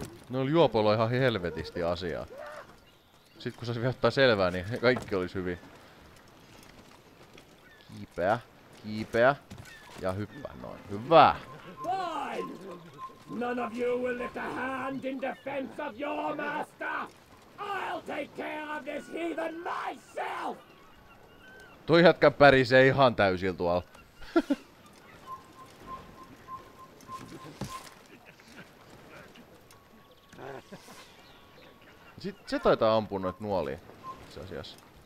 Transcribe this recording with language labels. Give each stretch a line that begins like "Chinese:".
Finnish: Noilla juopoilla on ihan helvetisti asiaa. Sit kun saisi ottaa selvää, niin kaikki olisi hyvin. Kiipeä, kiipeä ja hyppää noin. Hyvä!
English: Fine! None of you will lift a hand in defense of your master! I'll take care of this heathen myself!
Finnish: Toi jätkä pärisee ihan täysil tuolla. Se taitaa ampua noit nuolia, itse asiassa.